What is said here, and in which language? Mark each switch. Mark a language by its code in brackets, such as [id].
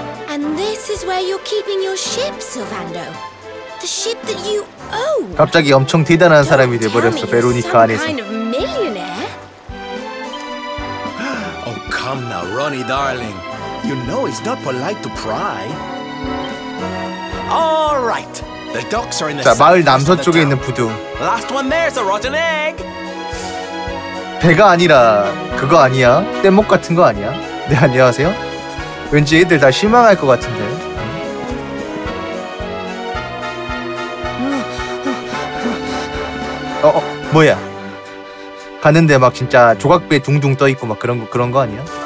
[en] And this is where you're keeping your ship, Silvando. The ship that you own. [ko] 갑자기 엄청 대단한 사람이 돼 버렸어, 베로니카 안에서. [en] Kind of millionaire. Oh, come now, Ronnie darling. You know it's not polite to pry. All right. The docks are in the [ko] 자, 마을 남서쪽에 있는 부두. [en] Last one there's a rotten egg. [ko] 배가 아니라 그거 아니야? 뗏목 같은 거 아니야? 네, 안녕하세요. 왠지 애들 다 실망할 것 같은데. 뭐야? 가는데 막 진짜 조각배 둥둥 떠 있고 막 그런 거 아니야?